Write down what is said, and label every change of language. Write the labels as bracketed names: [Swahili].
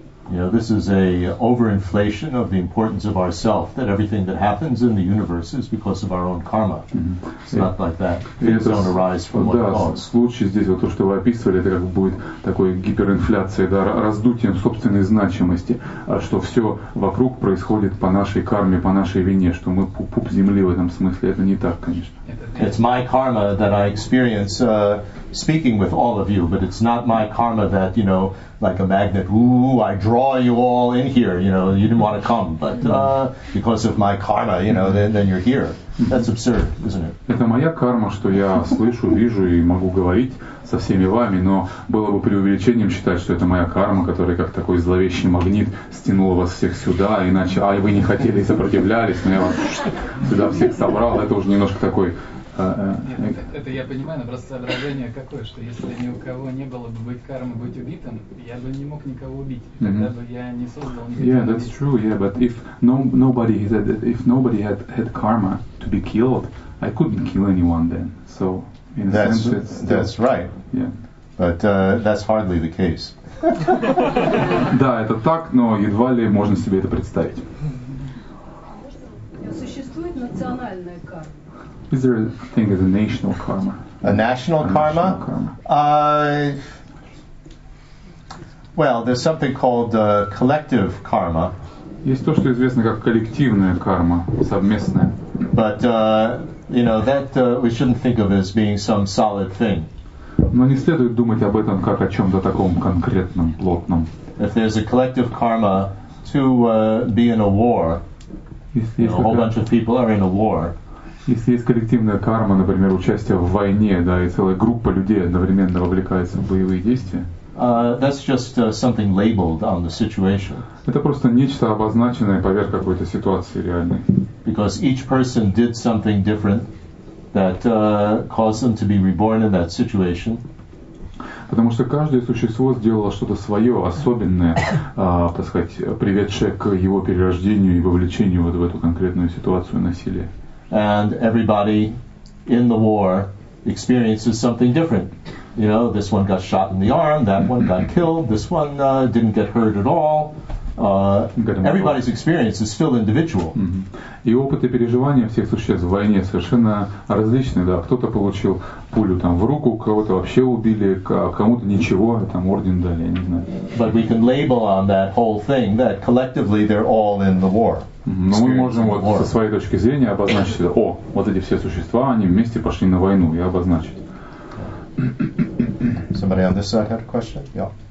[English] You know, this is a overinflation of the importance of ourself, that everything that happens in the universe is because of our own karma. It's not like that. Things don't arise from what cause. [Russian] Случай здесь, вот то, что вы описывали, это как будет такой гиперинфляцией, да, раздутием собственной значимости, что все вокруг происходит по нашей карме, по нашей вине, что мы пуп земли в этом смысле. Это не так, конечно. [English] It's my karma that I experience speaking with all of you, but it's not my karma that, you know, like a magnet, ooh, I draw you all in here, you know, you didn't want to come, but because of my karma, you know, then you're here. That's absurd, isn't it? [Russian] Это моя карма, что я слышу, вижу и могу говорить со всеми вами, но было бы преувеличением считать, что это моя карма, которая как такой зловещий магнит стянула вас всех сюда, иначе, ай, вы не хотели и сопротивлялись, но я вас сюда всех собрал, это уже немножко такой... Нет, это я понимаю, но просто соображение какое, что если ни у кого не было бы быть кармы быть убитым, я бы не мог никого убить, тогда бы я не создал. [English] Yeah, that's true. Yeah, but if nobody had karma to be killed, I couldn't kill anyone then. So in a sense, that's right. Yeah, but that's hardly the case. [Russian] Да, это так, но едва ли можно себе это представить. Существует национальная карма. [English] Is there a thing as a national karma? Well, there's something called collective karma. [Russian] Есть то, что известно как коллективная карма, совместная. [English] But you know that we shouldn't think of as being some solid thing. [Russian] Но не следует думать об этом как о чем-то таком конкретном, плотном. [English] If there's a collective karma to be in a war, a whole bunch of people are in a war. [Russian] Если есть коллективная карма, например, участие в войне, да, и целая группа людей одновременно вовлекается в боевые действия, [English] That's just something labeled on the situation. [Russian] Это просто нечто обозначенное поверх какой-то ситуации реальной. [English] Because each person did something different that caused them to be reborn in that situation. [Russian] Потому что каждое существо сделало что-то свое, особенное, так сказать, приведшее к его перерождению и вовлечению вот в эту конкретную ситуацию насилия. [English] And everybody in the war experiences something different. You know, this one got shot in the arm, that one got killed, this one didn't get hurt at all. Everybody's experience is still individual. [Russian] И опыт и переживания всех существ в войне совершенно различные, да. Кто-то получил пулю там в руку, кого-то вообще убили, кому-то ничего, там орден дали, я не знаю. [English] But we can label on that whole thing that collectively they're all in the war. [Russian] Но мы можем вот со своей точки зрения обозначить, о, вот эти все существа, они вместе пошли на войну, и обозначить. [English] Somebody on this side had a question? Yeah.